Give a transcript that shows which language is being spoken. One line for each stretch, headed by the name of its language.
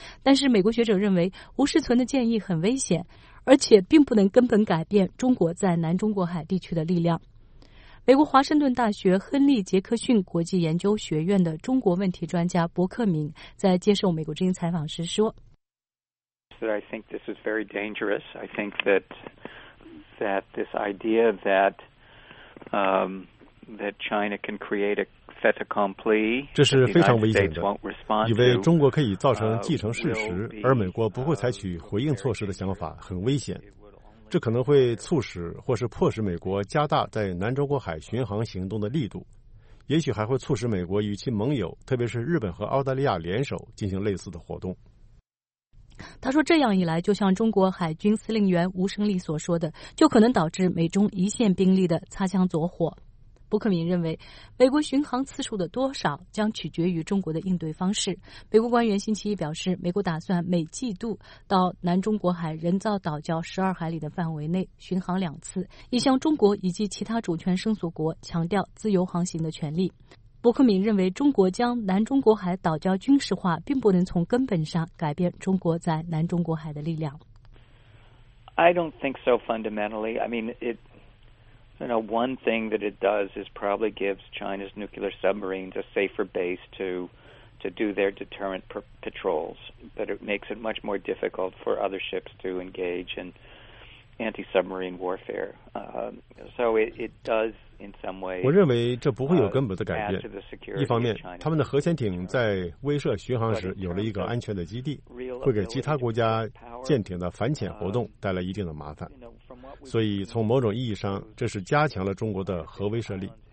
Chinese: 但是美国学者认为，吴世存的建议很危险，而且并不能根本改变中国在南中国海地区的力量。美国华盛顿大学亨利·杰克逊国际研究学院的中国问题专家伯克明在接受美国之音采访时说
English: I think this is very dangerous. I think that this idea that China can create a fait accompli,
Chinese: 这是非常危险的，以为中国可以造成既成事实而美国不会采取回应措施的想法很危险，这可能会促使或是迫使美国加大在南中国海巡航行动的力度，也许还会促使美国与其盟友特别是日本和澳大利亚联手进行类似的活动。他说这样一来，就像中国海军司令员吴胜利所说的，就可能导致美中一线兵力的擦枪走火。伯克明认为，美国巡航次数的多少将取决于中国的应对方式。美国官员星期一表示，美国打算每季度到南中国海人造岛礁12海里的范围内巡航两次，以向中国以及其他主权申索国强调自由航行的权利。伯克明认为，中国将南中国海岛礁军事化并不能从根本上改变中国在南中国海的力量。
English: I don't think so fundamentally. I mean, you know, one thing that it does is probably gives China's nuclear submarines a safer base to do their deterrent patrols, but it makes it much more difficult for other ships to engage in anti-submarine warfare. So it does in some ways.
Chinese: 我认为这不会有根本的改变。一方面，他们的核潜艇在威慑巡航时有了一个安全的基地，会给其他国家舰艇的反潜活动带来一定的麻烦。所以从某种意义上，这是加强了中国的核威慑力。